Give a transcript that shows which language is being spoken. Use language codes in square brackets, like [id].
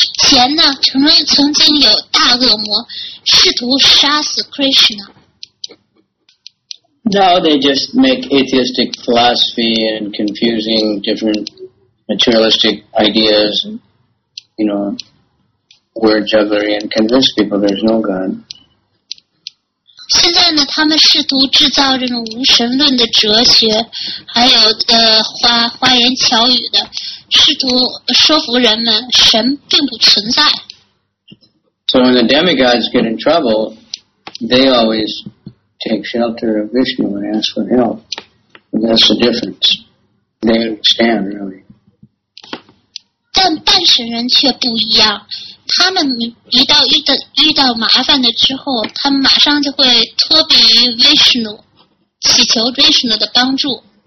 [zh] 在前呢，曾经有大恶魔试图杀死 Krishna。 [en] Now they just make atheistic philosophy and confusing different materialistic ideas, you know, word jugglery and convince people there's no God. [zh] 现在呢，他们试图制造这种无神论的哲学，还有花言巧语的，试图说服人们神并不存在。 [en] So when the demigods get in trouble, they always. Take shelter of Vishnu and ask for help. That's the difference. They understand, really. [zh] 但半神人却不一样，他们遇到麻烦的之后，他们马上就会托庇于 Vishnu， 祈求 Vishnu 的帮助。